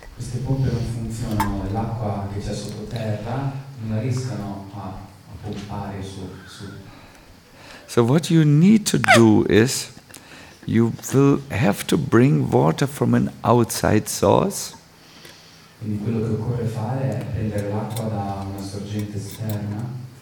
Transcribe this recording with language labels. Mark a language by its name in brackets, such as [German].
[Italian] Queste pompe non funzionano, l'acqua che c'è sottoterra non riescono a pompare su. [English] So what you need to do is you will have to bring water from an outside source. [Italian] Quindi quello che occorre fare è prendere l'acqua da una sorgente esterna.